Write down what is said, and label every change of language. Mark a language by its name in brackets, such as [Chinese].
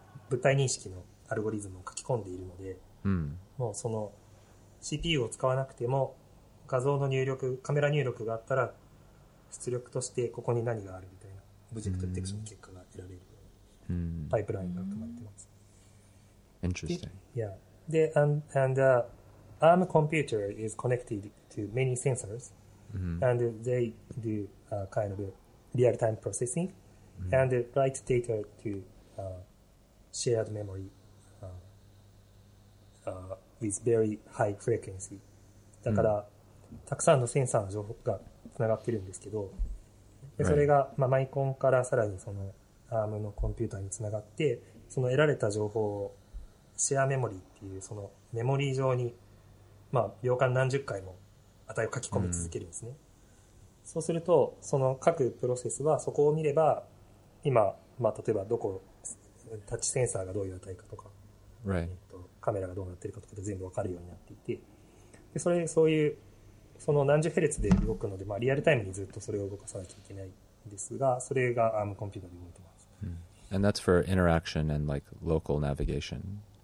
[Japanese] 物体認識のアルゴリズムを書き込んでいるので、もうその CPU を使わなくても画像の入力、カメラ入力があったら出力としてここに何があるみたいなオブジェクトディテクション結果が得られる、パイプラインが組まれています。 [English] Interesting. Yeah. [Japanese] で、 [English] ARM computer is connected to many sensors、and they do a kind of real time processing、and write data to、shared memory with very high frequency. [Japanese] だから、たくさんのセンサーの情報がつながってるんですけど、でそれが、まあ、マイコンからさらにそのアームのコンピューターにつながって、その得られた情報をシェアメモリーっていうそのメモリー上に、まあ、秒間何十回も値を書き込み続けるんですね。そうすると、その各プロセスはそこを見れば、今、まあ、例えばどこ、タッチセンサーがどういう値かとか、 [English] right. [Japanese] カメラがどうなってるかとかで全部わかるようになっていて、でそれそういうその何十ヘルツで動くので、まあ、リアルタイムにずっとそれを動かさなきゃいけないんですが、それが ARM コンピューターで動いてます。 [English] And that's for interaction and like local navigation.